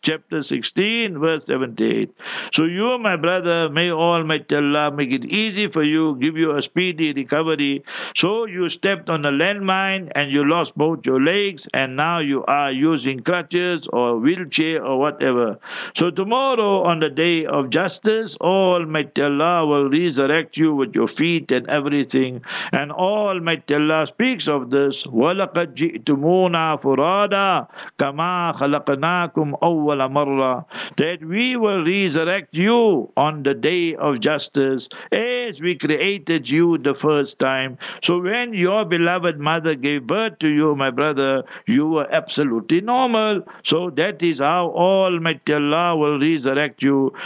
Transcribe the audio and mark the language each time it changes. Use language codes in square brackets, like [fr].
[en] Chapter 16, verse 78. So you, my brother, may Almighty Allah make it easy for you, give you a speedy recovery. So you stepped on a landmine and you lost both your legs, and now you are using crutches or wheelchair or whatever. So tomorrow, on the day of justice, Almighty Allah will resurrect you with your feet and everything. And Almighty Allah speaks of this, [ar] وَلَقَدْ جِئْتُمُونَا فُرَادَى كَمَا خَلَقْنَاكُمْ أَوَّلَ مَرَّةٍ. [en] That we will resurrect you on the day of justice as we created you the first time. So when your beloved mother gave birth to you, my brother, you were absolutely normal. So that is how Almighty Allah will resurrect you.